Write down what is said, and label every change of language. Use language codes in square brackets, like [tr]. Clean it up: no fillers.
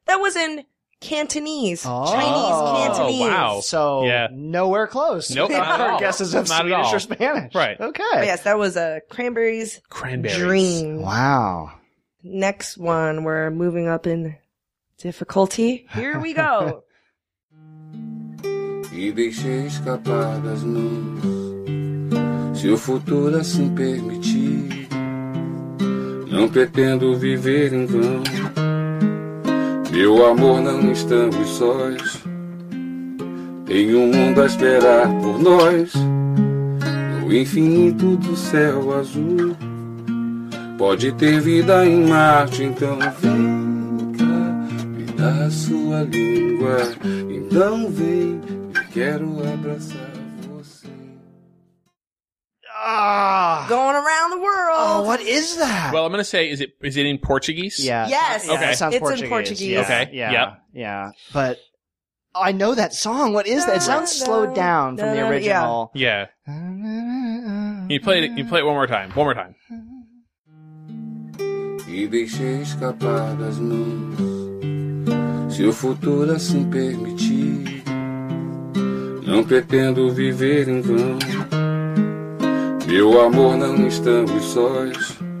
[en] That was in Cantonese. Oh. Chinese Cantonese. Oh, wow. So, yeah. Nowhere close. Nope. Not at all. Guesses of not Swedish or Spanish. Right. Okay. But yes, that was a Cranberries. Dream. Wow. Next one, we're moving up in difficulty. Here we go. [pt] E deixei escapar das mãos. Se o futuro assim permitir, não pretendo viver em vão. Meu amor, não estamos sós. Tem um mundo a esperar por nós. No infinito do céu azul. Pode ter vida em Marte, então vem cá, me dá a sua língua. Então vem, quero abraçar você. [en] Going around the world. Oh, what is that? Well, I'm going to say, is it in Portuguese? Yeah. Yes. Okay. Yeah, sounds it's Portuguese. In Portuguese. Yeah. Okay. Yeah. Yep. Yeah. But I know that song. What is that? It sounds slowed down from the original. Yeah. You play it one more time. [pt] E deixei escapar das mãos. Se o futuro assim permitir, não pretendo viver em vão. Meu amor, não estamos sós.